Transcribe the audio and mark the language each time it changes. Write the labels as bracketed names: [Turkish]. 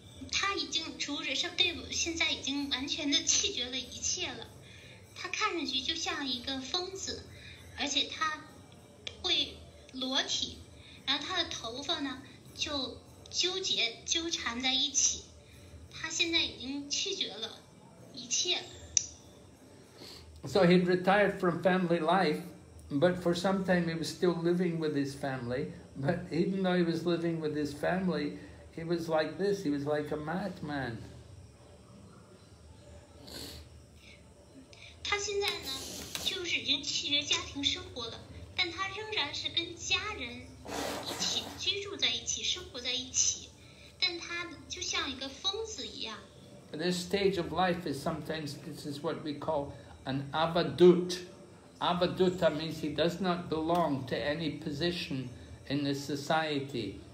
[Chinese] 他已经主人生队伍现在已经完全的弃绝了一切了。他看上去就像一个疯子，而且他会裸体，然后他的头发呢就纠结纠缠在一起。他现在已经弃绝了一切了。 [English] So he'd retired from family life, but for some time he was still living with his family. But even though he was living with his family, he was like this, he was like a madman. [Chinese] 他现在呢，就是已经弃绝家庭生活了，但他仍然是跟家人一起居住在一起，生活在一起，但他就像一个疯子一样。 [English] At this stage of life is sometimes, this is what we call an avadut. Avaduta means he does not belong to any position in the society.